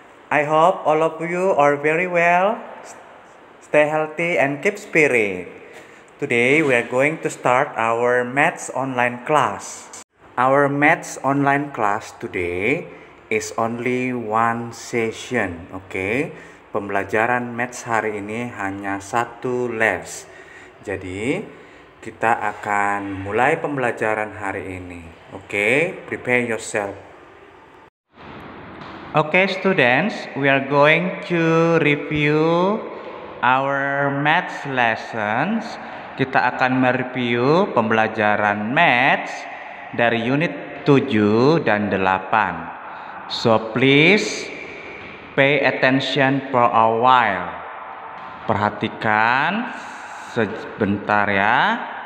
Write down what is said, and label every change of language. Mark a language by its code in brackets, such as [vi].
[en] I hope all of you are very well. Stay healthy and keep spirit. Today we are going to start our maths online class. Our maths online class today is only one session, okay? [id] Pembelajaran maths hari ini hanya satu les. Jadi, kita akan mulai pembelajaran hari ini. [en] Oke, okay, prepare yourself. Okay, students, we are going to review our math lessons. [id] Kita akan mereview pembelajaran math dari unit 7 dan 8. [en] So, please pay attention for a while. [id] Perhatikan sebentar ya.